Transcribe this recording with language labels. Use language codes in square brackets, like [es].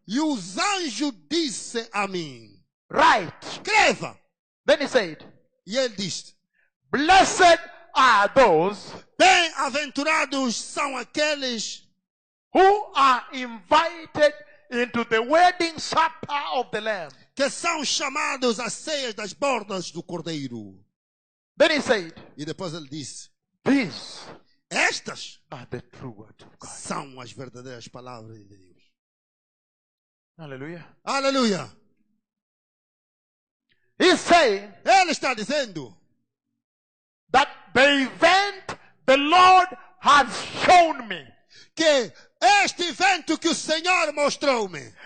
[pt] E os anjos disse a mim. [en] Write. [pt] Escreva. [en] Then he said. [pt] E ele diz. [en] Blessed are those. [pt] Bem-aventurados são aqueles. [en] Who are invited into the wedding supper of the Lamb. [pt] Que são chamados às ceias das bordas do Cordeiro. [en] Then he said. [pt] E depois ele disse. [en] This. [pt] Estas [en] are the true word of God. [pt] São as verdadeiras palavras de Deus. Aleluia. Aleluia. [en] He say, [pt] ele está dizendo [en] that the event the Lord has shown me, [pt] que este evento que o Senhor mostrou-me,